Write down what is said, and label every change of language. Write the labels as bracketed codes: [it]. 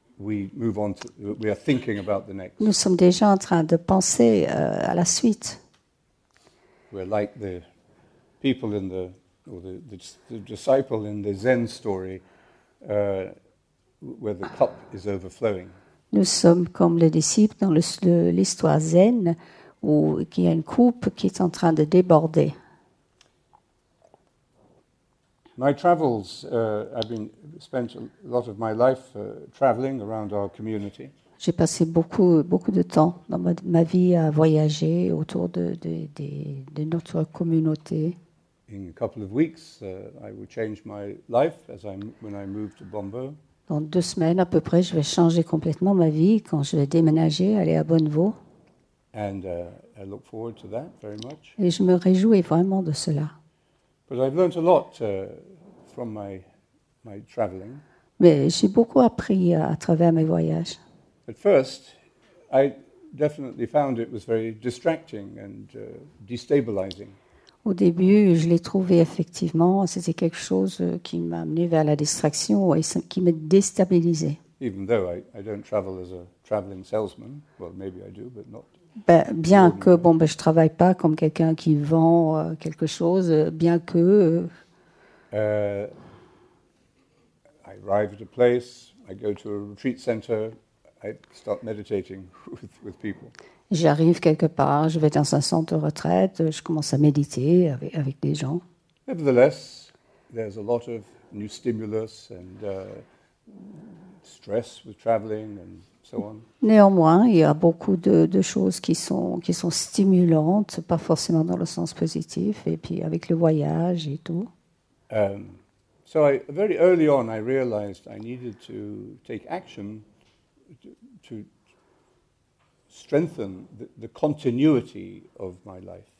[en] We move on to, we are thinking about the next. [fr] Nous sommes déjà en train de penser à la suite. [en] We're like the people in the or the disciple in the Zen story, where the cup is overflowing. [fr] Nous sommes comme le disciple dans l'histoire Zen où il y a une coupe qui est en train de déborder. [en] My travels, I've been spent a lot of my life traveling around our community. [fr] J'ai passé beaucoup de temps dans ma vie à voyager autour de notre communauté. [en] In a couple of weeks, I will change my life when I move to Bombo. [fr] Dans 2 semaines à peu près, je vais changer complètement ma vie quand je vais déménager, aller à Bonnevaux. [en] And I look forward to that very much. [fr] Et je me réjouis vraiment de cela. [en] But I've learned a lot from my traveling. [fr] Mais j'ai beaucoup appris à travers mes voyages. [en] At first, I definitely found it was very distracting and destabilizing. [fr] Au début, je l'ai trouvé effectivement, c'était quelque chose qui m'a amené vers la distraction et qui m'a déstabilisé. [en] Even though I don't travel as a traveling salesman, well maybe I do, but not. [fr] Bien que, bon, ben, je ne travaille pas comme quelqu'un qui vend quelque chose, bien que. [en] I arrive at a place, I go to a retreat center, I start meditating with people. [fr] J'arrive quelque part, je vais dans un centre de retraite, je commence à méditer avec des gens. [en] Nevertheless, there's a lot of new stimulus and stress with traveling and so on. [fr] Néanmoins, il y a beaucoup de choses qui sont stimulantes, pas forcément dans le sens positif, et puis avec le voyage et tout. [en] So I, very early on, I realized I needed to take action to strengthen the continuity of my life.